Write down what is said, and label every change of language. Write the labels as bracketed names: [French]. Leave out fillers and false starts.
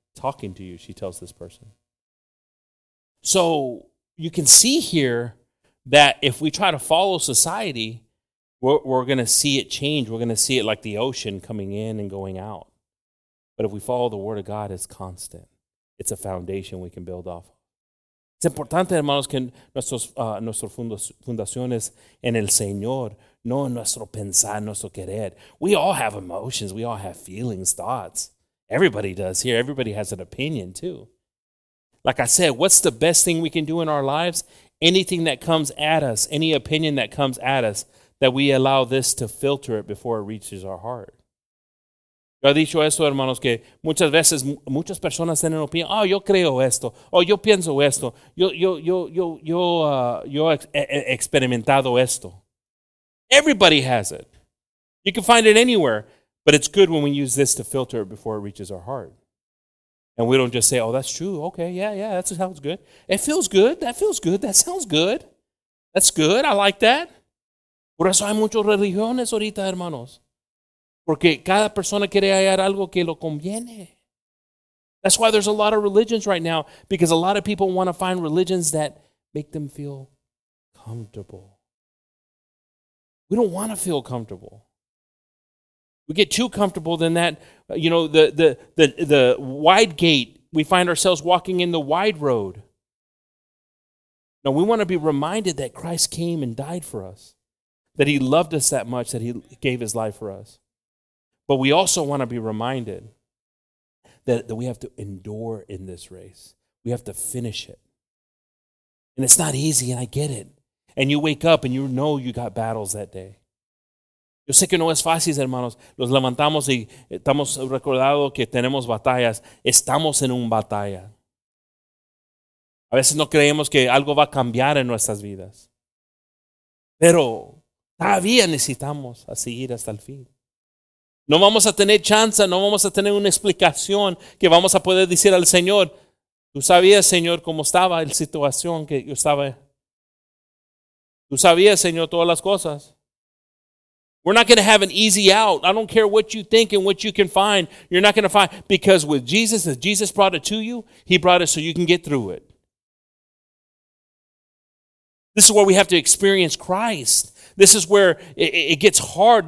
[English] talking to you, she tells this person. So you can see here that if we try to follow society, we're going to see it change. We're going to see it like the ocean coming in and going out. But if we follow the Word of God, it's constant. It's a foundation we can build off. [Spanish] Es importante, hermanos, que nuestra fundación es en el Señor, no en nuestro pensar, nuestro querer. [English] We all have emotions. We all have feelings, thoughts. Everybody does here. Everybody has an opinion, too. Like I said, what's the best thing we can do in our lives? Anything that comes at us, any opinion that comes at us, that we allow this to filter it before it reaches our heart. [Spanish] Yo he dicho esto, hermanos, que muchas veces muchas personas tienen opinión. Oh, yo creo esto. Oh, yo pienso esto. Yo he experimentado esto. [English] Everybody has it. You can find it anywhere. But it's good when we use this to filter it before it reaches our heart. And we don't just say, oh, that's true. Okay, yeah, that sounds good. It feels good. That feels good. That sounds good. That's good. I like that. [Spanish] Por eso hay muchas religiones ahorita, hermanos. Porque cada persona quiere hallar algo que lo conviene. [English] That's why there's a lot of religions right now, because a lot of people want to find religions that make them feel comfortable. We don't want to feel comfortable. We get too comfortable, then that, you know, the wide gate, we find ourselves walking in the wide road. Now, we want to be reminded that Christ came and died for us, that he loved us that much, that he gave his life for us. But we also want to be reminded that we have to endure in this race. We have to finish it. And it's not easy, and I get it. And you wake up, and you know you got battles that day. [Spanish] Yo sé que no es fácil, hermanos. Nos levantamos y estamos recordando que tenemos batallas. Estamos en una batalla. A veces no creemos que algo va a cambiar en nuestras vidas. Pero todavía necesitamos a seguir hasta el fin. No vamos a tener chance, no vamos a tener una explicación que vamos a poder decir al Señor. Tú sabías, Señor, cómo estaba la situación que yo estaba. Tú sabías, Señor, todas las cosas. [English] We're not going to have an easy out. I don't care what you think and what you can find. You're not going to find. Because with Jesus, if Jesus brought it to you, he brought it so you can get through it. This is where we have to experience Christ. This is where it gets hard.